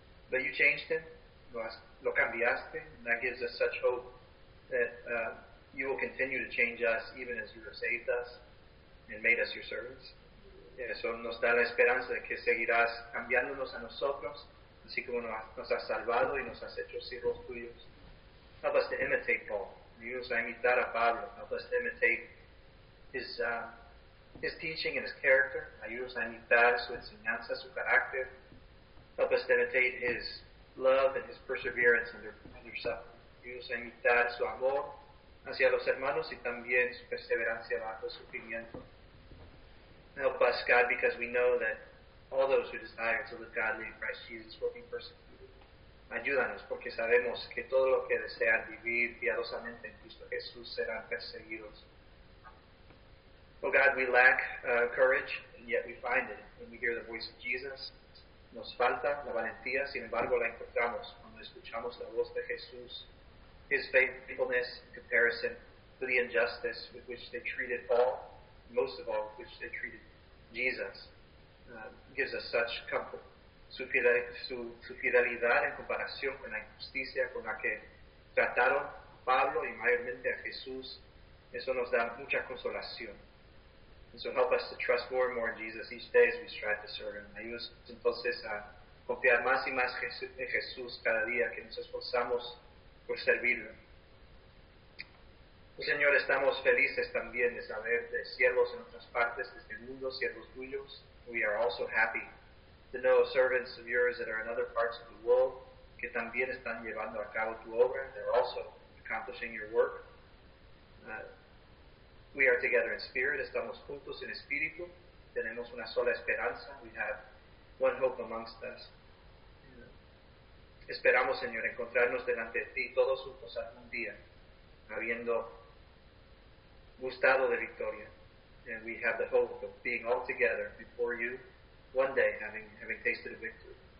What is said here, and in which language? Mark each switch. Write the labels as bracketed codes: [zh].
[en] But you changed him, [es] lo cambiaste, [en] and that gives us such hope that you will continue to change us even as you have saved us and made us your servants. [es] Eso nos da la esperanza de que seguirás cambiándonos a nosotros, así como nos has salvado y nos has hecho siervos tuyos. [en] Help us to imitate Paul. [es] Ayúdanos a imitar a Pablo. [en] Help us to imitate his teaching and his character. [es] Ayúdanos a imitar su enseñanza, su carácter. [en] Help us to imitate his love and his perseverance under suffering. [es] Ayúdanos a imitar su amor hacia los hermanos y también su perseverancia bajo sufrimiento. [en] Help us, God, because we know that all those who desire to live godly in Christ Jesus will be persecuted. [es] Ayúdanos, porque sabemos que todo lo que desean vivir piadosamente en Cristo Jesús serán perseguidos. [en] Oh God, we lack courage, and yet we find it when we hear the voice of Jesus. [es] Nos falta la valentía, sin embargo la encontramos cuando escuchamos la voz de Jesús. [en] His faithfulness in comparison to the injustice with which they treated Paul, most of all, which they treated Jesus, gives us such comfort. [es] su fidelidad en comparación con la injusticia con la que trataron Pablo y mayormente a Jesús, eso nos da mucha consolación. [en] And so help us to trust more and more in Jesus each day as we strive to serve him. [es] Ayúdanos entonces a confiar más y más en Jesús cada día que nos esforzamos por servirlo. Señor, estamos felices también de saber de siervos en otras partes de este mundo, siervos tuyos. [en] We are also happy to know servants of yours that are in other parts of the world [es] que también están llevando a cabo tu obra. [en] They're also accomplishing your work. We are together in spirit. [es] Estamos juntos en espíritu. Tenemos una sola esperanza. [en] We have one hope amongst us. Yeah. [es] Esperamos, Señor, encontrarnos delante de ti todos juntos algún día, habiendo gustado de victoria. [en] And we have the hope of being all together before you one day, having tasted a victory.